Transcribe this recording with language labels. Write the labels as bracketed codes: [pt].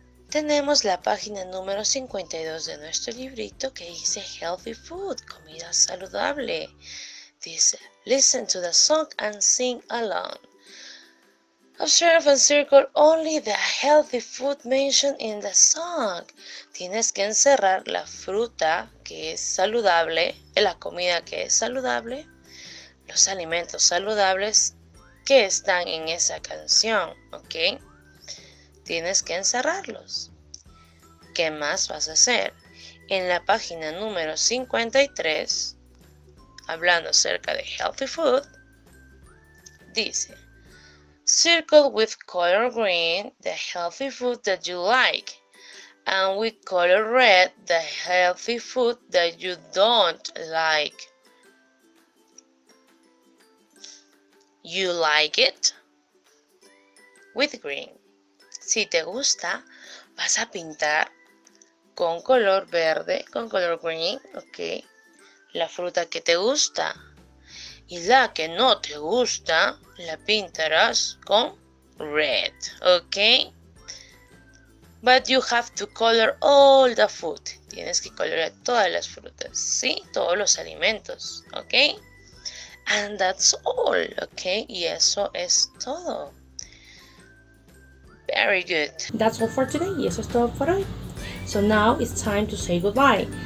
[es] Tenemos la página número 52 de nuestro librito que dice Healthy Food, comida saludable. [en] Dice, listen to the song and sing along. Observe and circle only the healthy food mentioned in the song. [es] Tienes que encerrar la fruta que es saludable, la comida que es saludable, los alimentos saludables que están en esa canción, ¿ok? Tienes que encerrarlos. ¿Qué más vas a hacer? [en] En la página número 53, hablando acerca de healthy food, dice, circle with color green the healthy food that you like, and with color red the healthy food that you don't like. You like it? With green. [es] Si te gusta, vas a pintar con color verde, con color green, ok. La fruta que te gusta. Y la que no te gusta, la pintarás con red, ok. [en] But you have to color all the food. [es] Tienes que colorear todas las frutas, ¿sí? Todos los alimentos, ok. [en] And that's all, ok. Y eso es todo. Very good. That's all for today. Y eso es todo por hoy. So now it's time to say goodbye.